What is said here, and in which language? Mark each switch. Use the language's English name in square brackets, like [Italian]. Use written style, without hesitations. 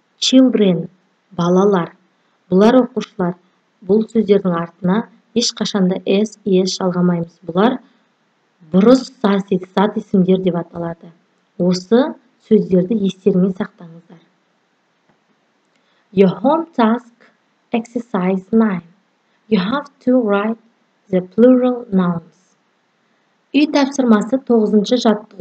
[Kazakh] Children, балалар. Бұлар оқушылар. Бұл сөздердің артына ешқашанда S, ES жалғамаймыз. Бұлар бұрыс зат есімдер деп аталады. Осы сөздерді естеріңе сақтаңыздар. [English] Your home task exercise 9. You have to write the plural nouns. [Kazakh] Үй тапсырмасы 9-ші жаттығу.